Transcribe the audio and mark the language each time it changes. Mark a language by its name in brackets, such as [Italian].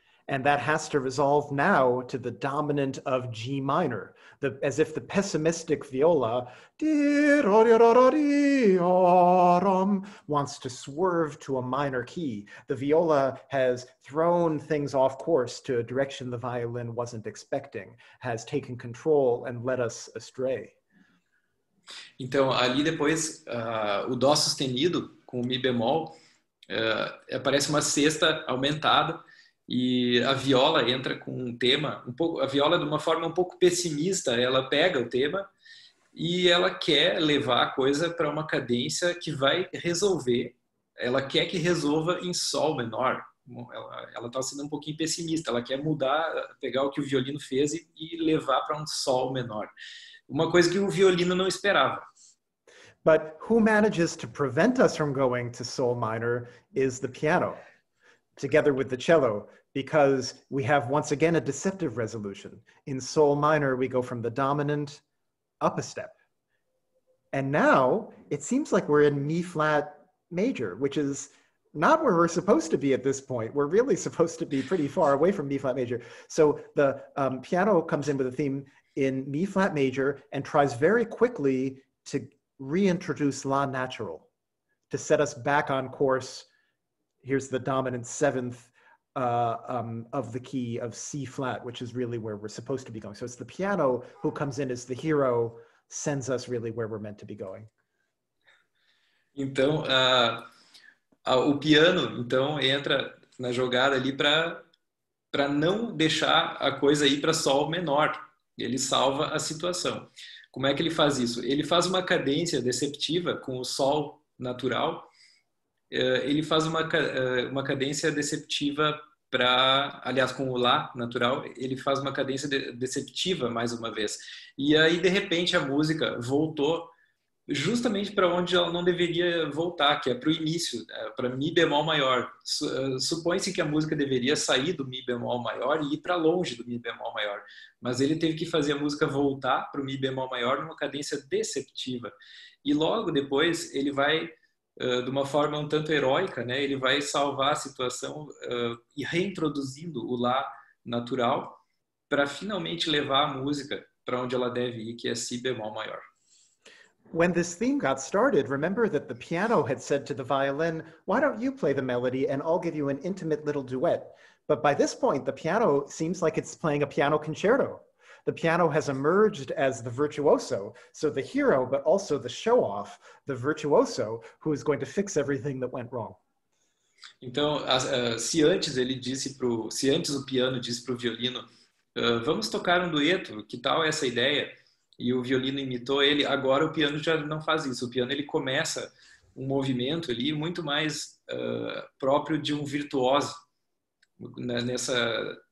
[English] And that has to resolve now to the dominant of G minor, as if the pessimistic viola wants to swerve to a minor key. The viola has thrown things off course to a direction the violin wasn't expecting, has taken control and led us astray. [Portuguese] Então, ali depois, o dó sustenido com o mi bemol aparece uma sexta aumentada. E a viola entra com um tema um pouco, a viola de uma forma um pouco pessimista, ela pega o tema e ela quer levar a coisa para uma cadência que vai resolver, ela quer que resolva em sol menor. Ela está sendo um pouquinho pessimista, ela quer mudar, pegar o que o violino fez e levar para um sol menor. Uma coisa que o violino não esperava. [English] But who manages to prevent us from going to sol minor is the piano. Together with the cello, because we have once again a deceptive resolution. In sol minor, we go from the dominant up a step. And now it seems like we're in mi flat major, which is not where we're supposed to be at this point. We're really supposed to be pretty far away from mi flat major. So the piano comes in with a theme in mi flat major and tries very quickly to reintroduce la natural, to set us back on course. Here's the dominant seventh of the key of C flat, which is really where we're supposed to be going. So it's the piano who comes in as the hero, sends us really where we're meant to be going. [Portuguese] Então, o piano então entra na jogada ali para não deixar a coisa ir para sol menor. Ele salva a situação. Como é que ele faz isso? Ele faz uma cadência deceptiva com o sol natural. Ele faz uma cadência deceptiva para, aliás, com o lá natural, ele faz uma cadência deceptiva mais uma vez. E aí, de repente, a música voltou justamente para onde ela não deveria voltar, que é para o início, para mi bemol maior. Supõe-se que a música deveria sair do mi bemol maior e ir para longe do mi bemol maior. Mas ele teve que fazer a música voltar para o mi bemol maior numa cadência deceptiva. E logo depois, ele vai... de uma forma um tanto heróica, né? Ele vai salvar a situação e reintroduzindo o lá natural para finalmente levar a música para onde ela deve ir, que é si bemol maior. [English] When this theme got started, remember that the piano had said to the violin, "Why don't you play the melody and I'll give you an intimate little duet?" But by this point, the piano seems like it's playing a piano concerto. The piano has emerged as the virtuoso, so the hero, but also the show-off, the virtuoso, who is going to fix everything that went wrong. [Portuguese] Então, se antes o piano disse para o violino, vamos tocar um dueto, que tal essa ideia? E o violino imitou ele, agora o piano já não faz isso. O piano ele começa um movimento ali muito mais próprio de um virtuoso, né, nessa...